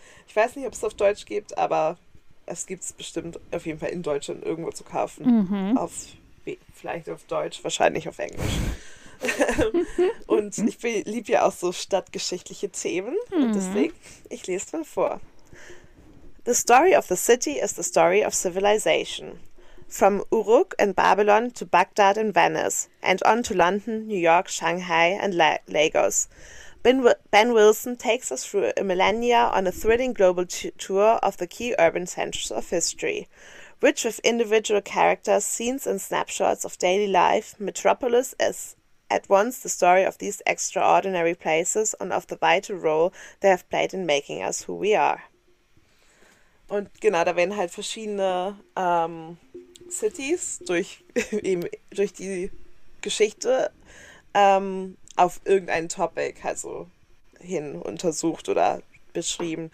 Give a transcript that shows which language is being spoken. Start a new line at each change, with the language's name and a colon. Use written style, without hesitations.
German: Ich weiß nicht, ob es auf Deutsch gibt, aber es gibt es bestimmt auf jeden Fall in Deutschland irgendwo zu kaufen. Mhm. Vielleicht auf Deutsch, wahrscheinlich auf Englisch. Und ich liebe ja auch so stadtgeschichtliche Themen. Mhm. Und deswegen, ich lese mal vor.
English: The story of the city is the story of civilization. From Uruk in Babylon to Baghdad in Venice, and on to London, New York, Shanghai, and Lagos. Ben Wilson takes us through a millennia on a thrilling global tour of the key urban centers of history. Rich with individual characters, scenes, and snapshots of daily life, Metropolis is at once the story of these extraordinary places and of the vital role they have played in making us who we are.
German: Und genau, da werden halt verschiedene Cities durch die Geschichte auf irgendein Topic also hin untersucht oder beschrieben.